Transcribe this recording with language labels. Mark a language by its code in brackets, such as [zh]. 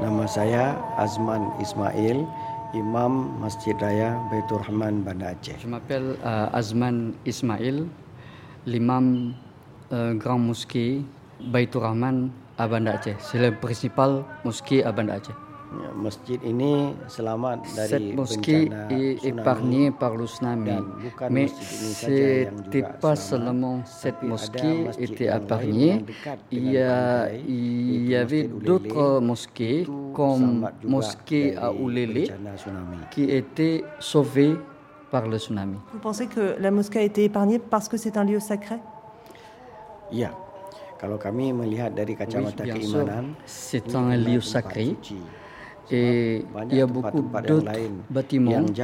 [id] Saya Azman Ismail, imam Masjid Raya Baitur Rahman Banda Aceh. [fr] Je m'appelle Azman Ismail, l'imam Grand Mosquée Baitur Rahman à Banda Aceh. C'est le principal mosquée à Banda Aceh. [id] Masjid ini selamat dari [fr] cette mosquée est épargnée par le tsunami. Mais ce n'était pas seulement cette mosquée qui était épargnée. Il y avait d'autres mosquées comme mosquée à Ulele qui étaient sauvées par le tsunami. Vous pensez que la mosquée a été épargnée parce que c'est un lieu sacré? [id] Ya. Kalau kami melihat dari kacamata keimanan, [fr] c'est un lieu sacré. Et il y a beaucoup d'autres bâtiments